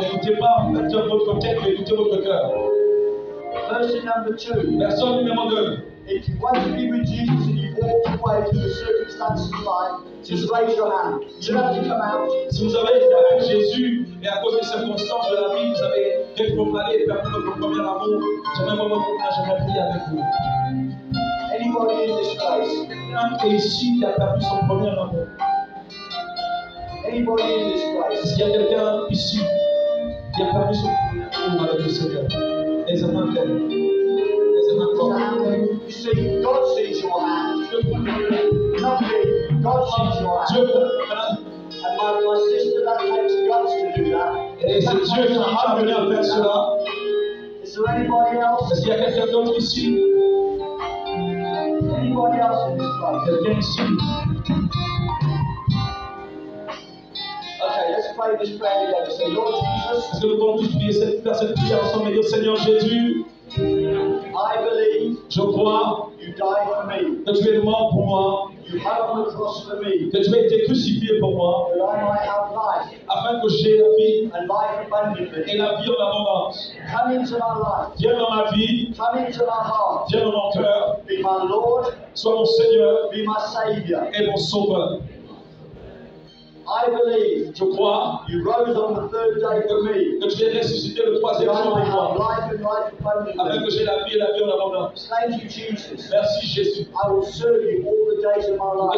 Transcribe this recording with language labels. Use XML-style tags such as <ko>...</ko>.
<fr>N'écoutez pas, n'écoutez votre tête, mais écoutez votre cœur.</fr> <en>Person number two.</en> <fr>Personne numéro deux.</fr> <en>If you want to be with Jesus and you walk away through the circumstances of life, just raise your hand. You don't have to come out.</en> <fr>Si vous avez été avec Jésus et à cause des circonstances de la vie, vous avez rétrogradé et perdu votre premier amour, j'aimerais vraiment vous dire, j'aimerais prier avec vous.</fr> <en>Anybody in this place?</en> <fr>Quelqu'un qui est ici qui a perdu son premier amour.</fr> <en>Anybody in this place?</en> <fr>S'il y a quelqu'un ici qui a perdu son amour avec le Seigneur, les amants d'elle, les amants d'elle.</fr> <en>You see, God sees your hand. Not me. God sees your hand.</en> <fr>Dieu.</fr> <en>And my sister, that takes guts to do that.</en> <fr>Et c'est Dieu qui m'a amené à faire cela.</fr> <en>Is there anybody else?</en> <fr>Est-ce qu'il y a quelqu'un d'autre ici?</fr> <en>Anybody else in this place?</en> <fr>Quelqu'un ici. Est-ce que nous pouvons tous prier cette prière ensemble et dire Seigneur Jésus,</fr> <en>I believe</en> <fr>je crois</fr> <en>you died for me.</en> <fr>Que tu es mort pour moi.</fr> <en>You to hang on the cross for me,</en> <fr>que tu aies été crucifié pour moi,</fr> <en>that I might have life,</en> <fr>afin que j'aie la vie,</fr> <en>and life abundantly,</en> <fr>et la vie en abondance.</fr> <en>Come into my life,</en> <fr>viens dans ma vie,</fr> <en>come into my heart,</en> <fr>viens dans mon cœur,</fr> <en>be my Lord,</en> <fr>sois mon Seigneur,</fr> <en>be my Savior,</en> <fr>et mon Sauveur.</fr> <en>I believe,</en> <fr>je crois,</fr> <en>you rose on the third day for me,</en> <fr>que tu es ressuscité le troisième jour pour moi, afin que j'ai la vie et la vie en abondance.</fr> <en>Thank you, Jesus.</en> <fr>Merci Jésus.</fr> <en>I will serve you all the days of my life.</en>